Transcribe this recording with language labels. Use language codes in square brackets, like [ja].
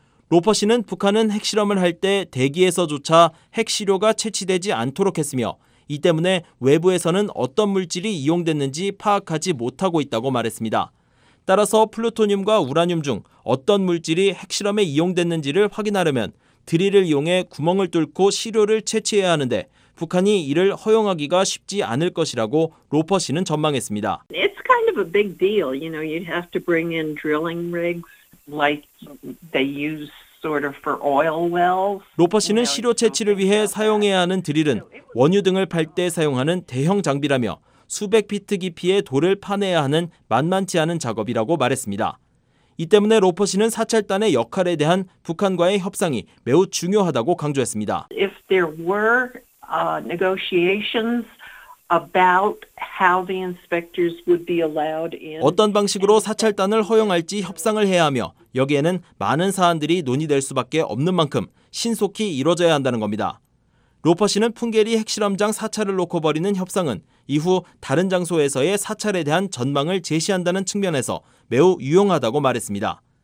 [ko] 로퍼 씨는 북한은 핵실험을 할 때 대기에서조차 핵시료가 채취되지 않도록 했으며 이 때문에 외부에서는 어떤 물질이 이용됐는지 파악하지 못하고 있다고 말했습니다. 따라서 플루토늄과 우라늄 중 어떤 물질이 핵실험에 이용됐는지를 확인하려면 드릴을 이용해 구멍을 뚫고 시료를 채취해야 하는데 북한이 이를 허용하기가 쉽지 않을 것이라고 로퍼 씨는 전망했습니다. [en] It's kind of a big deal. You know, you'd have to bring in drilling rigs like they use sort of for oil wells. [ko] 로퍼 씨는 시료 채취를 위해 사용해야 하는 드릴은 원유 등을 팔 때 사용하는 대형 장비라며 수백 피트 깊이의 돌을 파내야 하는 만만치 않은 작업이라고 말했습니다. 이 때문에 로퍼 씨는 사찰단의 역할에 대한 북한과의 협상이 매우 중요하다고 강조했습니다. [en] If there were negotiations about how the inspectors would be allowed in [ko] 어떤 방식으로 사찰단을 허용할지 협상을 해야 하며 여기에는 많은 사안들이 논의될 수밖에 없는 만큼 신속히 이루어져야 한다는 겁니다. 로퍼 씨는 풍계리 핵실험장 사찰을 놓고 벌이는 협상은 이후 다른 장소에서의 사찰에 대한 전망을 제시한다는 측면에서 매우 유용하다고 말했습니다.